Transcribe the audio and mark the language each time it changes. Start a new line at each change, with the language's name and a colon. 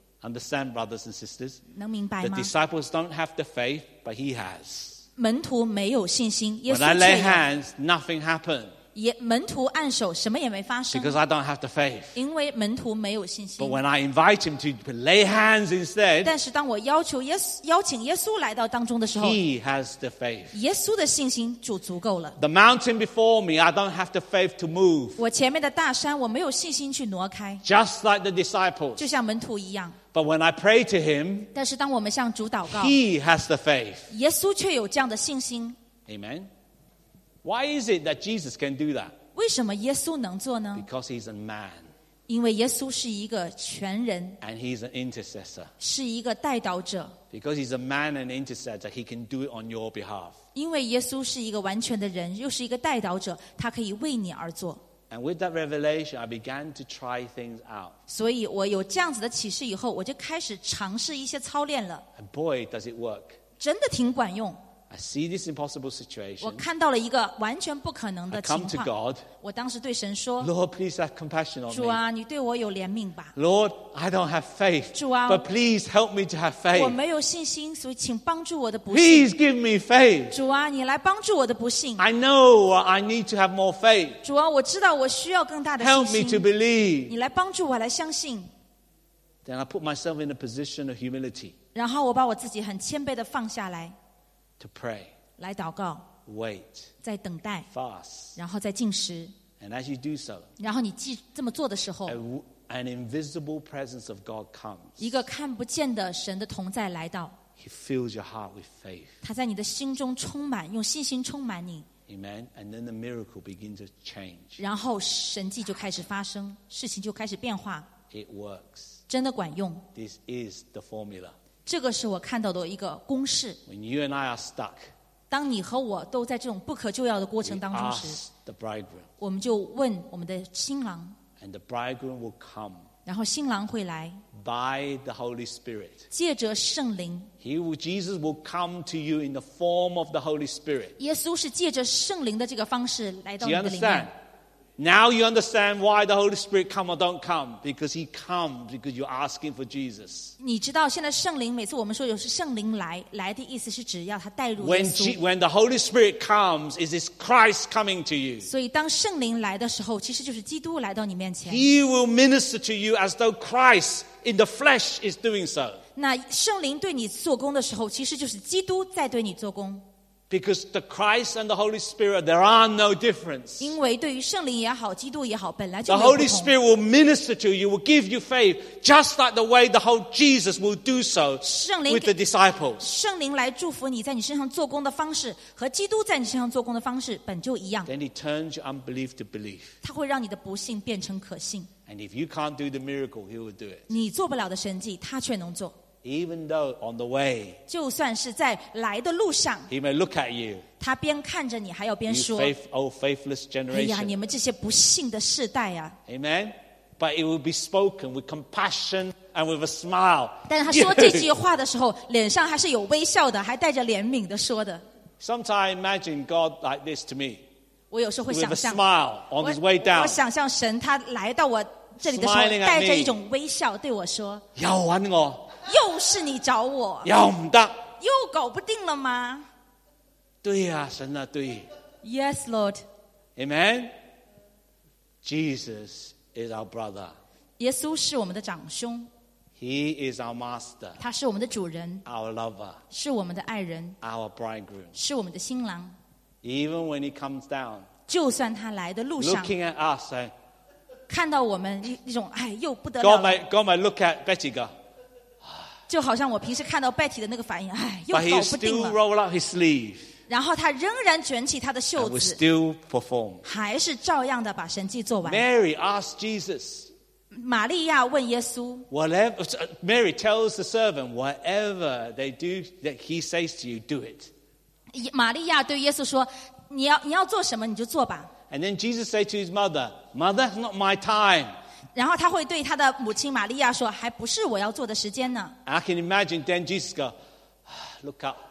English: Understand, brothers and sisters?
Chinese: 能明白吗
English: The disciples don't have the faith, but he has.
Chinese: 门徒没有信心耶稣却有
English: When I lay hands, nothing happened.
Chinese: 门徒按手什么也没发生
English: Because I don't have the faith.
Chinese: 因为门徒没有信心
English: But when I invite him to lay hands instead
Chinese: 但是当我要求耶稣邀请耶稣来到当中的时候
English: He has the faith.
Chinese: 耶稣的信心就足够了
English: The mountain before me I don't have the faith to move
Chinese: 我前面的大山我没有信心去挪开
English: Just like the disciples
Chinese: 就像门徒一样
English: But when I pray to him
Chinese: 但是当我们向主祷告
English: He has the faith.
Chinese: 耶稣却有这样的信心
English: Amen. Why is it that Jesus can do that?
Chinese: 为什么耶稣能做呢?
English: Because he's a man.
Chinese: 因为耶稣是一个全人。
English: And he's an intercessor.
Chinese: 是一个代祷者。
English: Because he's a man and intercessor, he can do it on your behalf.
Chinese: 因为耶稣是一个完全的人,又是一个代祷者,他可以为你而做。
English: And with that revelation, I began to try things out.
Chinese: 所以我有这样子的启示以后,我就开始尝试一些操练了。
English: And boy, does it work.
Chinese: 真的挺管用。
English: I see this impossible situation.
Chinese: 我看到了一个完全不可能的情况。
English: I come to God.
Chinese: 我当时对神说
English: ，Lord, please have compassion on me.
Chinese: 主啊，你对我有怜悯吧。
English: Lord, I don't have faith.
Chinese: 主啊
English: ，But please help me to have faith.
Chinese: 我没有信心，所以请帮助我的不信。
English: Please give me faith.
Chinese: 主啊，你来帮助我的不信。
English: I know I need to have more faith.
Chinese: 主啊，我知道我需要更大的信心。
English: Help me to believe.
Chinese: 你来帮助我来相信。
English: Then I put myself in a position of humility.
Chinese: 然后我把我自己很谦卑的放下来。
English: To pray,
Chinese: 来祷告
English: wait,
Chinese: 在等待
English: fast,
Chinese: 然后再进食
English: and as you do so,
Chinese: 然后你这么做的时候
English: an invisible presence of God comes,
Chinese: 一个看不见的神的同在来到
English: He fills your heart with faith,
Chinese: 他在你的心中充满用信心充满你
English: Amen, and then the miracle begins to change,
Chinese: 然后神迹就开始发生事情就开始变化
English: It works,
Chinese: 真的管用
English: This is the formula,
Chinese: 这个是我看到的一个公式
English: When you and I are stuck,
Chinese: 当你和我都在这种不可救药的过程当中时
English: we ask the bridegroom,
Chinese: 我们就问我们的新郎
English: and the bridegroom will come,
Chinese: 然后新郎会来
English: by the Holy Spirit,
Chinese: 借着圣灵
English: Jesus will come to you in the form of the Holy Spirit
Chinese: 耶稣是借着圣灵的这个方式来到你的里面
English: Do you understand? Now you understand why the Holy Spirit come or don't come because he comes because you're asking for Jesus.
Chinese: 你知道现在圣灵每次我们说有圣灵来来的意思是指要他带入耶稣
English: When the Holy Spirit comes, it is Christ coming to you.
Chinese: 所以当圣灵来的时候其实就是基督来到你面前
English: He will minister to you as though Christ in the flesh is doing so.
Chinese: 那圣灵对你做工的时候其实就是基督在对你做工
English: Because the Christ and the Holy Spirit, there are no difference.
Chinese: 因为对于圣灵也好，基督也好，本来就没有不同。
English: The Holy Spirit will minister to you, will give you faith, just like the way the whole Jesus will do so with the disciples.
Chinese: 圣灵来祝福你在你身上做工的方式和基督在你身上做工的方式本就一样。
English: Then he turns your unbelief to belief.
Chinese: 他会让你的不信变成可信。
English: And if you can't do the miracle, he will do it.
Chinese: 你做不了的神迹，他却能做。
English: Even though on the way,
Chinese: 就算是在来的路上
English: he may look at you.
Chinese: 他边看着你，还要边说
English: "Oh, faithless generation!"
Chinese: 哎呀，你们这些不信的世代啊
English: Amen. But it will be spoken with compassion and with a smile.
Chinese: 但是他说这句话的时候，脸上还是有微笑的，还带着怜悯的说的
English: Sometimes imagine God like this to me.
Chinese: 我有时候会想象
English: with a smile on his way down.
Chinese: 我想象神他来到我这里的时候，带着一种微笑对我说：“ 要玩我。” 又是你找我又不得又搞不定了吗对啊神啊对
English: Yes Lord Amen Jesus is our brother
Chinese: 耶稣是我们的长兄
English: He is our master
Chinese: 他是我们的主人
English: Our lover
Chinese: 是我们的爱人
English: Our bridegroom
Chinese: 是我们的新郎
English: Even when he comes down
Chinese: 就算他来的路上
English: Looking at us
Chinese: 看到我们一种哎又不得了
English: God might look at Betty girl
Chinese: 就好像我平时看到 Betty 的那个反应，哎，又搞不定了。
English: But he still rolled up his sleeve.
Chinese: 然后他仍然卷起他的袖子。
English: And we still perform.
Chinese: 还是照样的把神迹做完。
English: Mary asked Jesus.
Chinese: 玛利亚问耶稣。
English: Mary tells the servant, whatever they do that he says to you, do it.
Chinese: 玛利亚对耶稣说，你要做什么你就做吧。
English: And then Jesus said to his mother, Mother, it's not my time.
Chinese: 然后他会对他的母亲玛利亚说，还不是我要做的时间呢。
English: I can imagine then Jesus go look up.